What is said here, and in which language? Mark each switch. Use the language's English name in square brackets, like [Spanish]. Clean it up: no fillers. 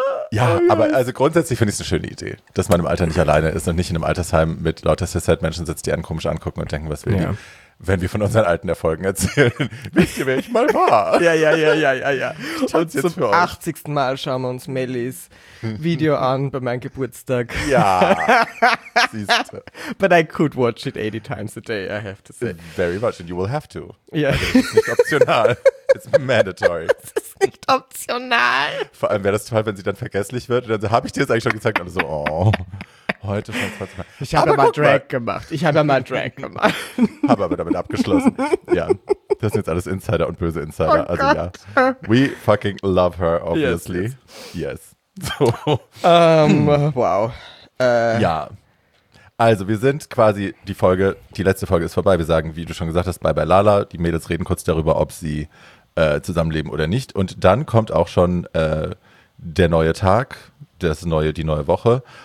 [German] Ja, aber also grundsätzlich finde ich es eine schöne Idee, dass man im Alter nicht alleine ist und nicht in einem Altersheim mit lauter Cis-Head-Menschen sitzt, die einen komisch angucken und denken, was will die, wenn wir von unseren alten Erfolgen erzählen. Wisst ihr, wer ich mal war? Ja. Und zum 80. Mal schauen wir uns Mellies Video an bei meinem Geburtstag. Ja, siehst du. [English] But I could watch it 80 times a day, I have to say. Very much, and you will have to. [German] Ja. Also, nicht optional. [English] It's mandatory. [German] Das ist nicht optional. Vor allem wäre das toll, wenn sie dann vergesslich wird. Und dann so, habe ich dir das eigentlich schon gezeigt? Und so, oh, heute schon 20 Mal. Ich habe mal Drag gemacht. Habe aber damit abgeschlossen. Ja, das sind jetzt alles Insider und böse Insider. Oh, also Gott. Ja, [English] we fucking love her, obviously. Yes. So. Wow. [German] Ja. Also wir sind quasi, die letzte Folge ist vorbei. Wir sagen, wie du schon gesagt hast, bye bye Lala. Die Mädels reden kurz darüber, ob sie zusammenleben oder nicht. Und dann kommt auch schon der neue Tag, die neue Woche.